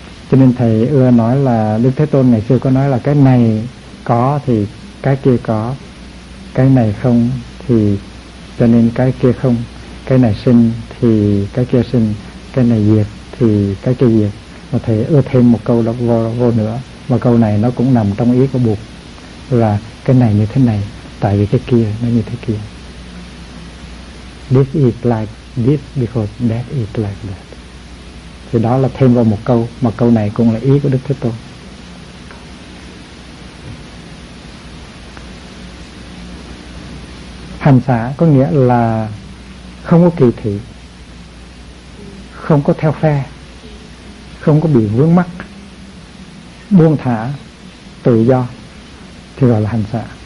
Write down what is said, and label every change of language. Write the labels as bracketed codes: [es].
[vi] Cho nên thầy ưa nói là Đức Thế Tôn ngày xưa có nói là cái này có thì cái kia có, cái này không thì cho nên cái kia không, cái này sinh thì cái kia sinh, cái này diệt thì cái kia diệt. Và thầy ưa thêm một câu đó vô nữa, và câu này nó cũng nằm trong ý của Bụt, là cái này như thế này tại vì cái kia nó như thế kia. [en] This is like this because that is like that. [vi] Thì đó là thêm vào một câu, mà câu này cũng là ý của Đức Thế Tôn. Hành xả có nghĩa là không có kỳ thị, không có theo phe, không có bị vướng mắc, buông thả, tự do, thì gọi là hành xả.